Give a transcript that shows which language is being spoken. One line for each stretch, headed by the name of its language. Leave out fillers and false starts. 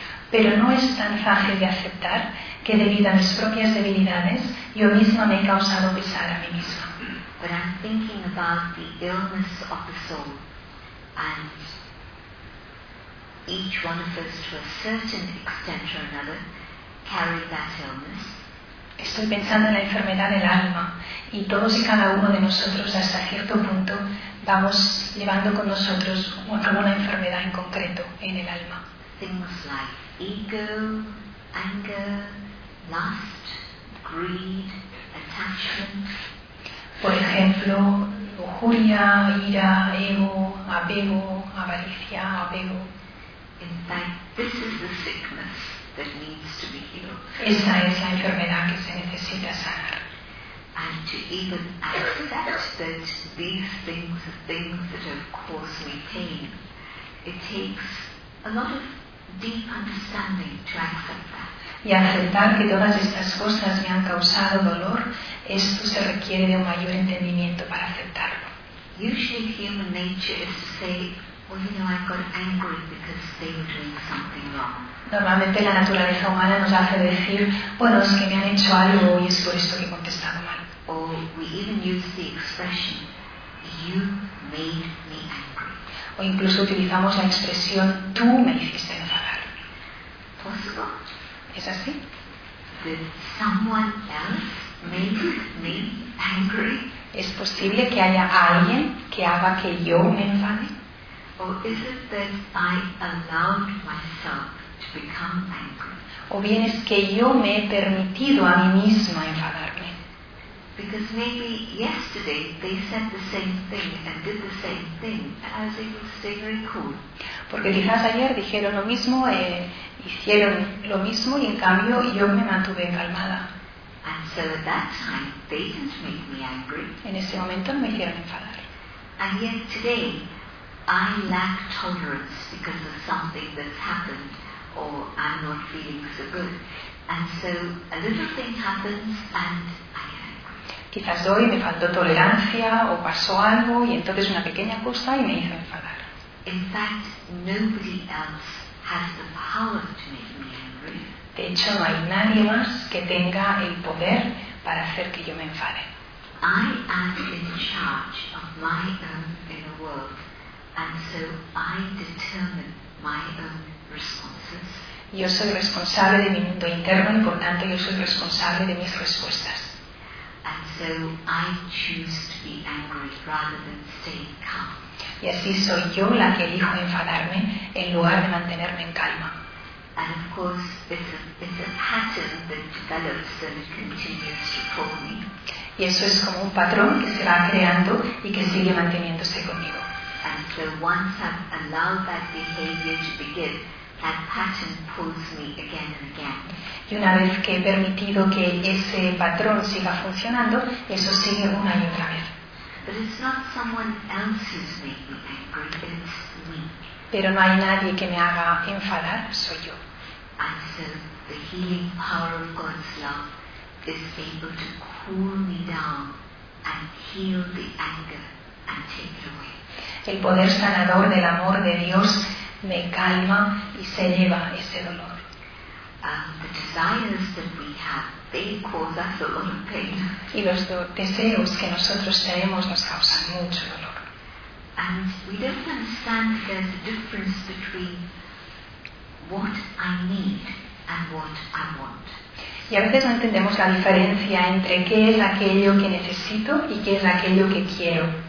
Spanish: pero no es tan fácil de aceptar que debido a mis propias debilidades yo misma me he causado pesar a mí misma.
English: But I'm thinking about the illness of the soul and each one of us to a certain extent or another carry that illness.
Spanish: Estoy pensando en la enfermedad del alma y todos y cada uno de nosotros hasta cierto punto vamos llevando con nosotros una enfermedad en concreto en el alma.
English: Things like ego, anger, lust, greed, attachment.
Spanish: Por ejemplo, lujuria, ira, ego, apego, avaricia, apego.
English: In fact, this is the sickness that needs to be healed.
Spanish: Esta es la enfermedad que se necesita sanar.
English: And to even accept that these things are things that have caused me pain, it takes a lot of deep understanding to accept that.
Spanish: Y aceptar que todas estas cosas me han causado dolor, esto se requiere de un mayor entendimiento para aceptarlo.
English: Usually human nature is to say, well, you know, I got angry because they were doing something wrong.
Spanish: Normalmente la naturaleza humana nos hace decir, bueno, es que me han hecho algo y es por esto que he contestado mal.
English: O we even use the expression, you made me angry.
Spanish: O incluso utilizamos la expresión, tú me hiciste enfadar. ¿Posible? ¿Es así?
English: That someone else made me angry.
Spanish: ¿Es posible que haya alguien que haga que yo me enfade?
English: Or is it that I allowed myself to become angry?
Spanish: O bien es que yo me he permitido a mí misma enfadarme.
English: Because maybe yesterday they said the same thing and did the same thing, and I was able to stay very cool.
Spanish: Porque quizás ayer dijeron lo mismo, hicieron lo mismo y en cambio yo me mantuve calmada.
English: And so at that time they didn't make me angry.
Spanish: En ese momento me hicieron enfadar.
English: And yet today I lack tolerance because of something that's happened. Or I'm not feeling so good, and so a little thing happens, and I get angry.
Spanish: Quizás hoy me faltó tolerancia o pasó algo y entonces una pequeña cosa y me hizo enfadar.
English: In fact, nobody else has the power to make me angry.
Spanish: De hecho, no hay nadie más que tenga el poder para hacer que yo me enfade.
English: I am in charge of my own inner world, and so I determine my own response.
Spanish: Yo soy responsable de mi mundo interno y por tanto yo soy responsable de mis respuestas.
English: And so I choose to be angry rather than stay calm.
Spanish: Y así soy yo la que elijo enfadarme en lugar de mantenerme en calma.
English: And of course, it's a pattern that develops and continues to pull me.
Spanish: Y eso es como un patrón que se va creando y que sigue manteniéndose conmigo.
English: And so once I've allowed that behavior to begin, that pattern pulls me again and again.
Spanish: Y una vez que he permitido que ese patrón siga funcionando, eso sigue una y otra vez.
English: But it's not someone else who's made me angry, it's me.
Spanish: Pero no hay nadie que me haga enfadar, soy yo.
English: And so the healing power of God's love is able to cool me down and heal the anger and take it away.
Spanish: El poder sanador del amor de Dios me calma y se lleva ese dolor.
English: The desires that we have, they cause us a lot of pain.
Spanish: Y los deseos que nosotros tenemos nos causan mucho dolor.
English: And we don't understand that there's a difference between what I need and what I want.
Spanish: Y a veces no entendemos la diferencia entre qué es aquello que necesito y qué es aquello que quiero.